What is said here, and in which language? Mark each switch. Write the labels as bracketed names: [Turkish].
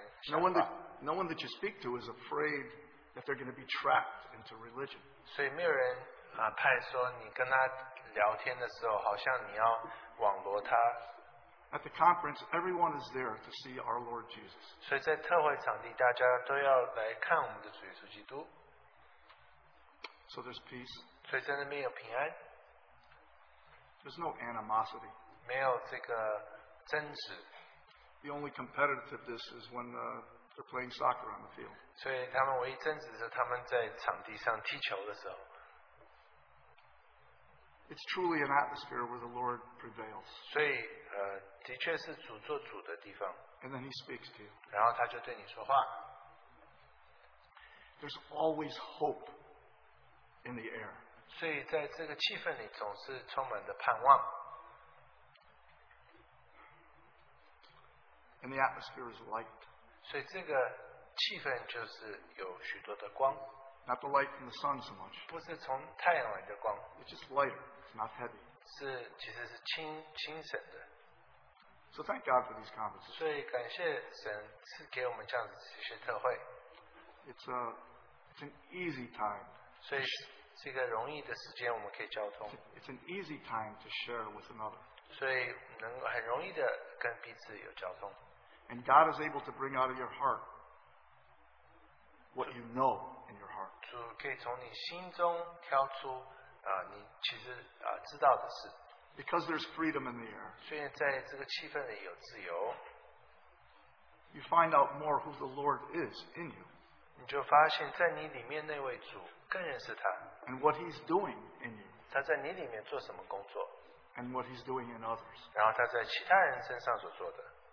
[English] No one that you speak to is afraid that they're going to be trapped into religion. [Chinese] 所以没有人, 派说你跟他聊天的时候好像你要网罗他。 [English] At the conference, everyone is there to see our Lord Jesus. [Chinese] 所以在特会场地大家都要来看我们的主耶稣基督。 [English] So there's peace. [Chinese] 所以在那边有平安。 [English] There's no animosity. [Chinese] 没有这个争执。 [English] The only competitiveness is when they're playing soccer on the field. [Chinese] 所以他们唯一争执是他们在场地上踢球的时候。 [English] It's truly an atmosphere where the Lord prevails. [Chinese] 所以的确是主做主的地方。 [English] And then He speaks to you. [Chinese] 然后他就对你说话。 [English] There's always hope in the air. [Chinese] 所以在这个气氛里总是充满着盼望。 [English] And the atmosphere is light. [Chinese] 所以这个气氛就是有许多的光。 [English] Not the light from the sun so much. [Chinese] 不是从太阳来的光。 [English] It's just lighter. Not heavy. [Chinese] 是其实是轻省的。 [English] So thank God for these conferences. [Chinese] 所以感谢神赐给我们这样子这些特会。 [English] It's an easy time. [Chinese] 所以是一个容易的时间，我们可以交通。 [English] It's an easy time to share with another. [Chinese] 所以能很容易的跟彼此有交通。 [English] And God is able to bring out of your heart what you know in your heart. [Chinese] 主可以从你心中挑出。你其实知道的是, [English] because there's freedom in the air, [Chinese] 虽然在这个气氛里有自由, [English] you find out more who the Lord is in you, [Chinese] 你就发现在你里面那位主更认识他, [English] and what He's doing in you, [Chinese] 他在你里面做什么工作, [English] and what He's doing in others. [Chinese] 然后他在其他人身上所做的,